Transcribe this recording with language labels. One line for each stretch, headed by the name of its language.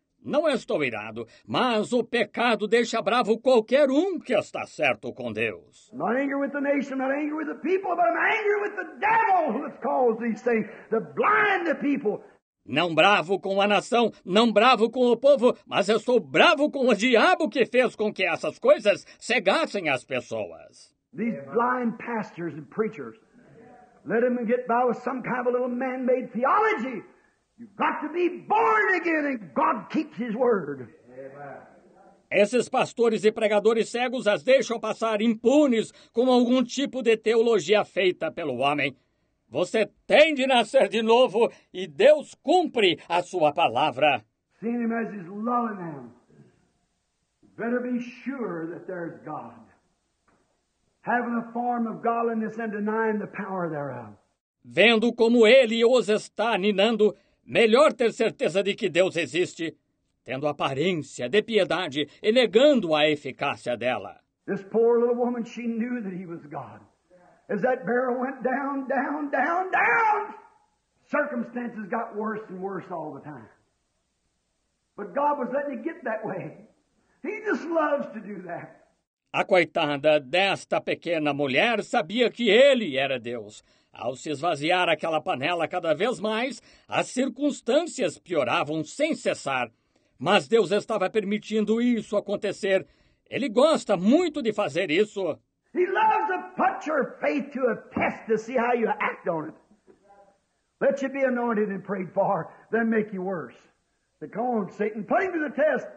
Portuguese: Não estou irado, mas o pecado deixa bravo qualquer um que está certo com Deus.
English: Not angry with the nation, not angry with the people, but I'm angry with the devil who has caused these things to blind the people.
Portuguese: Não bravo com a nação, não bravo com o povo, mas eu sou bravo com o diabo que fez com que essas coisas cegassem as pessoas.
English: These blind pastors and preachers, let them get by with some kind of a little man-made theology. You've got to be born again and God keeps his word.
Portuguese: Esses pastores e pregadores cegos as deixam passar impunes com algum tipo de teologia feita pelo homem. Você tem de nascer de novo e Deus cumpre a sua palavra.
English: Seeing him as he's loving them, better be sure that there's God. Having a form of godliness and denying the power thereof.
Portuguese: Vendo como ele os está ninando, melhor ter certeza de que Deus existe, tendo aparência de piedade e negando a eficácia dela.
English: This poor little woman, she knew that he was God. As that barrel went down, down, down, down, circumstances got worse and worse all the time. But God was letting it get that way. He just loves to do that.
Portuguese: A coitada desta pequena mulher sabia que ele era Deus. Ao se esvaziar aquela panela cada vez mais, as circunstâncias pioravam sem cessar. Mas Deus estava permitindo isso acontecer. Ele gosta muito de fazer isso.
English: He loves to put your faith to a test to see how you act on it. Let you be anointed and prayed for, then make you worse. But come on, Satan, put him to the test.